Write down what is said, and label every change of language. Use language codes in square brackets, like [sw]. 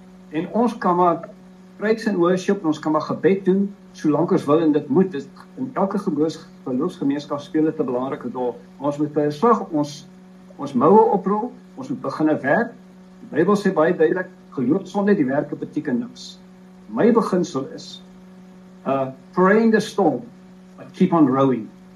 [af] En ons kan maar [en] praise and worship, [af] ons kan maar gebed doen, solank ons wil en dit moet. Dit in elke geloofsgemeenskap speel dit 'n belangrike rol. Ons moet versorg ons moue oprol, ons moet begin 'n werk. Die Bybel sê baie duidelik, geloof sonder die werke beteken niks. My beginsel is [en] praying the storm, but keep on rowing.